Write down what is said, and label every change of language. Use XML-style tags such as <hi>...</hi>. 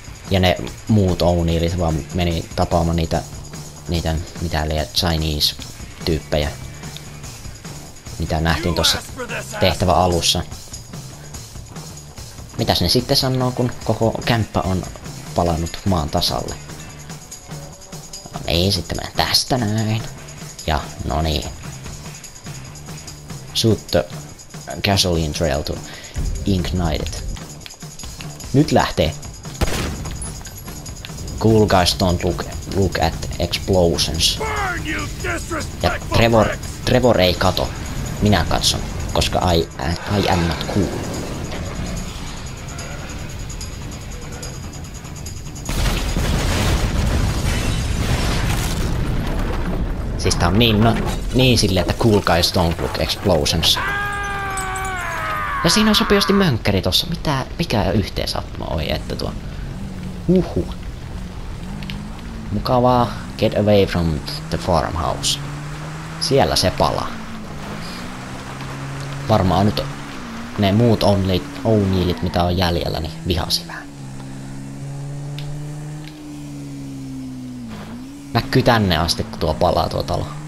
<fi>Ja ne muut O'Neillit vaan meni tapaamaan niitä mitä liian Chinese-tyyppejä, mitä nähtiin tuossa tehtävä alussa. Mitäs ne sitten sanoo, kun koko kämppä on palannut maan tasalle? No niin, sitten mennään tästä näin. Ja no niin.</fi> <en>Shoot the gasoline trail to ignite it.</en> <fi>Nyt lähtee.</fi> <en>Cool guys don't look at explosions.</en> <fi>Ja Trevor ei kato. Minä katson, koska</fi> <en>I am not cool.</en> <fi>Siis tää on niin silleen, että</fi> <en>cool guys don't look explosions.</en> <fi>Ja siinä on sopivasti mönkkäri tossa. Mikä yhteensattuma oi, että tuo... Mukavaa.</fi> <en>Get away from the farmhouse.</en> <fi>Siellä se palaa. Varmaan nyt ne muut O'Neillit, mitä on jäljellä, niin vihasi vähän. Näkyy tänne asti, kun tuo palaa tuo talo.</fi>